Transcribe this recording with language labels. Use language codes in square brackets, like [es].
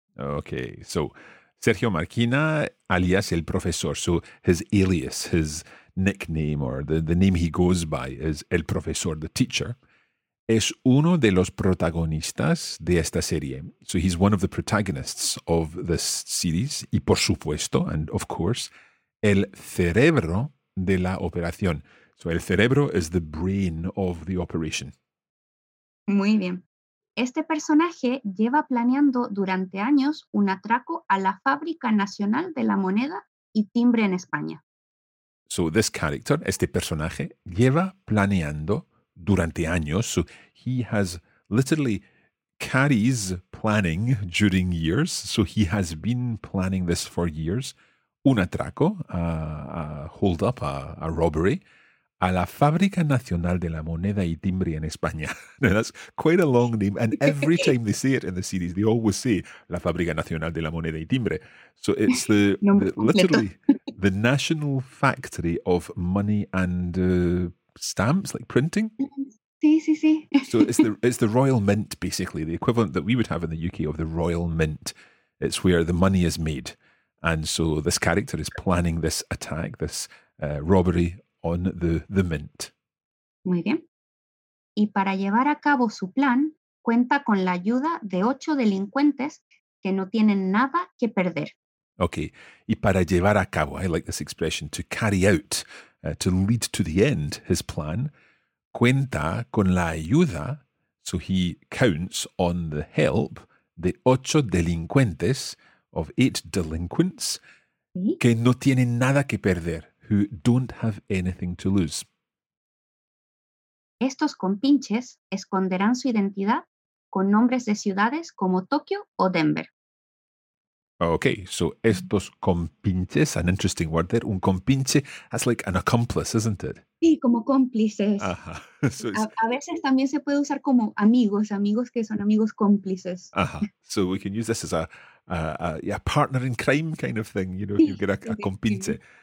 [en] Okay, so Sergio Márquina, [es] alias el profesor. [en] So his alias, his nickname, or the name he goes by is [es] el profesor, [en] the teacher. [es] Es uno de los protagonistas de esta serie. [en] So he's one of the protagonists of this series. [es] Y por supuesto, [en] and of course, [es] el cerebro de la operación. [en] So [es] el cerebro [en] is the brain of the operation. [es] Muy bien. Este personaje lleva planeando durante años un atraco a la Fábrica Nacional de la Moneda y Timbre en España. [en] So this character, [es] este personaje, lleva planeando durante años, [en] so he has literally carries planning during years, so he has been planning this for years, [es] un atraco, [en] a hold up, a robbery, [es] a la Fábrica Nacional de la Moneda y Timbre en España. [en] Now that's quite a long name, and every time they say it in the series, they always say [es] la Fábrica Nacional de la Moneda y Timbre. [en] So it's the literally the national factory of money and stamps, like printing? [es] Sí, sí, sí. [en] So it's the Royal Mint, basically, the equivalent that we would have in the UK of the Royal Mint. It's where the money is made. And so this character is planning this attack, this robbery on the mint. [es] Muy bien. Y para llevar a cabo su plan, cuenta con la ayuda de 8 delincuentes que no tienen nada que perder. [en] Okay. [es] Y para llevar a cabo, [en] I like this expression, to carry out, to lead to the end, his plan, [es] cuenta con la ayuda, [en] so he counts on the help, [es] de 8 delincuentes, [en] of 8 delinquents, [es] que no tienen nada que perder, [en] who don't have anything to lose. [es] Estos compinches esconderán su identidad con nombres de ciudades como Tokio o Denver. [en] Okay, so [es] estos compinches, [en] an interesting word there. [es] Un compinche, [en] that's like an accomplice, isn't it? [es] Sí, como cómplices. Ajá. So a veces también se puede usar como amigos, amigos que son amigos cómplices. Ajá. [en] So we can use this as a partner in crime kind of thing, you know, you get a compinche.